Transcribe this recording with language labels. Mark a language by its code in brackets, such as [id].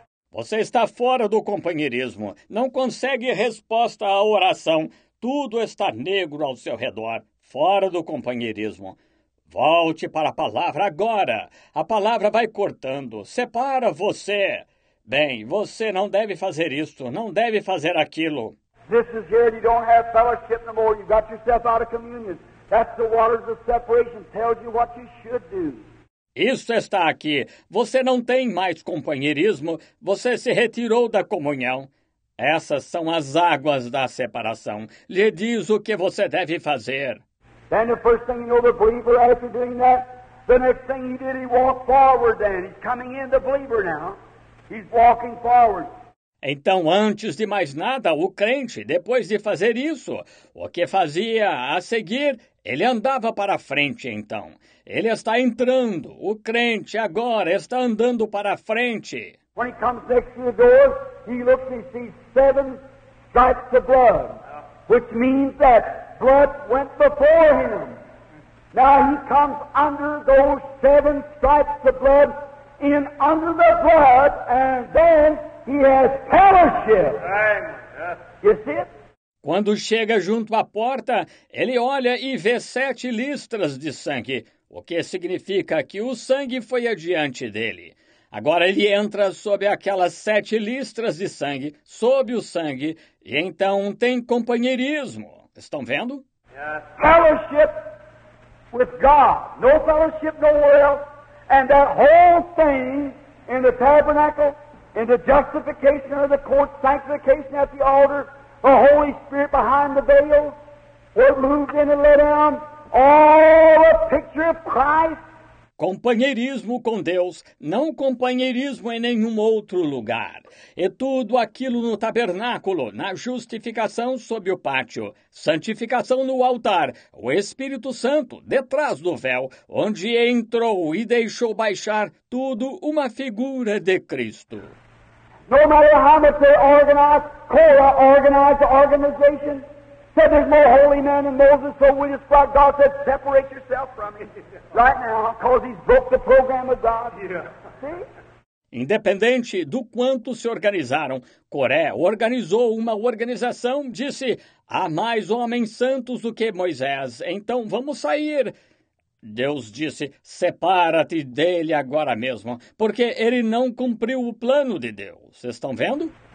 [pt] Você está fora do companheirismo. Não consegue resposta à oração. Tudo está negro ao seu redor. Fora do companheirismo. Volte para a palavra agora. A palavra vai cortando. Separa você. Bem, você não deve fazer isto. Não deve fazer aquilo. [en] This is it. You don't have fellowship no more. You got yourself out of communion. That's the waters of separation. Tells you what you should do. [pt] Isso está aqui. Você não tem mais companheirismo. Você se retirou da comunhão. Essas são as águas da separação. Lhe diz o que você deve fazer. [en] Then the first thing you know, the believer, after doing that, the next thing he did, he walked forward then. He's coming in, the believer now. He's walking forward. [pt] Então, antes de mais nada, o crente, depois de fazer isso, o que fazia a seguir, ele andava para frente, então. Ele está entrando. O crente agora está andando para frente. [en] When he comes next to the door, he looks and sees seven stripes of blood, which means that blood went before him. Now he comes under those seven stripes of blood, in under the blood, and then he has fellowship. You see it? [pt] Quando chega junto à porta, ele olha e vê sete listras de sangue, o que significa que o sangue foi adiante dele. Agora ele entra sob aquelas sete listras de sangue, sob o sangue, e então tem companheirismo. Estão vendo? [en] Yes. Fellowship with God. No fellowship nowhere else. And that whole thing in the tabernacle, in the justification of the court, sanctification at the altar, the Holy Spirit behind the veil, what moved in and let down, all a picture of Christ. [pt] Companheirismo com Deus, não companheirismo em nenhum outro lugar. E tudo aquilo no tabernáculo, na justificação sob o pátio, santificação no altar, o Espírito Santo detrás do véu, onde entrou e deixou baixar tudo uma figura de Cristo. [en] No matter how much they organized, Korah organized the organization, said there's no holy man in Moses, so we just brought God, said separate yourself from him right now, because he's broke the program of God. Yeah. See? [pt] Independente do quanto se organizaram, Coré organizou uma organização, disse, há mais homens santos do que Moisés, então vamos sair. Deus disse, separa-te dele agora mesmo, porque ele não cumpriu o plano de Deus. Vocês estão vendo?